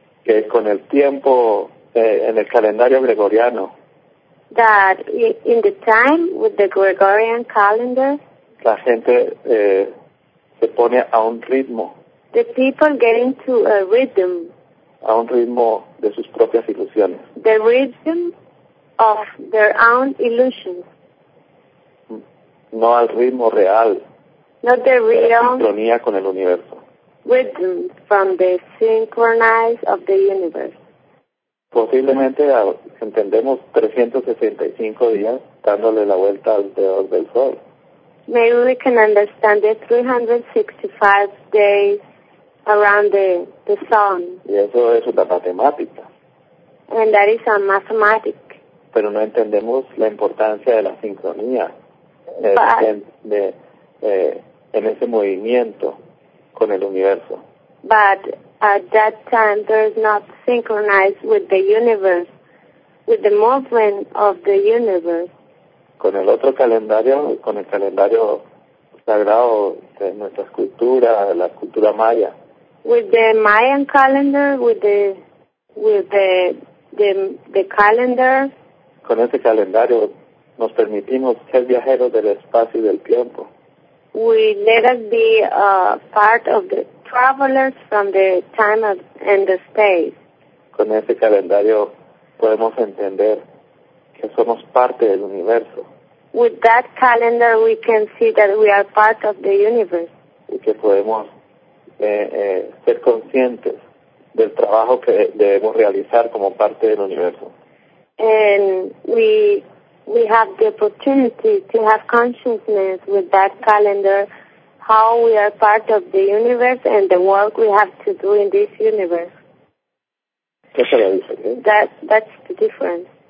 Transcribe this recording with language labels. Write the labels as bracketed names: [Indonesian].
[Spanish] Que con el tiempo en el calendario gregoriano... [English] That in the time with the Gregorian calendar, [Spanish] la gente se pone a un ritmo. [English] The people get into a rhythm. [Spanish] A un ritmo de sus propias ilusiones. [English] The rhythm of their own illusions. [Spanish] No al ritmo real. [English] Not the real. [Spanish] La sincronía con el universo. [English] Rhythm from the synchronized of the universe. [Spanish] Posiblemente entendemos 365 días dándole la vuelta alrededor del sol. [English] Maybe we can understand the 365 days around the sun. [Spanish] Y eso es una matemática. [English] And that is a mathematic. [Spanish] Pero no entendemos la importancia de la sincronía en ese movimiento con el universo. [English] But at that time, there's not synchronized with the universe, with the movement of the universe. [Spanish] Con el otro calendario, con el calendario sagrado de nuestra cultura, la cultura maya. [English] With the Mayan calendar, with the calendar. [Spanish] Con este calendario nos permitimos ser viajeros del espacio y del tiempo. [English] We let us be a part of the travelers from the time of, and the space. [Spanish] Con ese calendario podemos entender que somos parte del universo. [English] With that calendar we can see that we are part of the universe. [Spanish] Y que podemos ser conscientes del trabajo que debemos realizar como parte del universo. [English] And we have the opportunity to have consciousness with that calendar, how we are part of the universe and the work we have to do in this universe. [Spanish] ¿Qué es la diferencia? [English] That's the difference.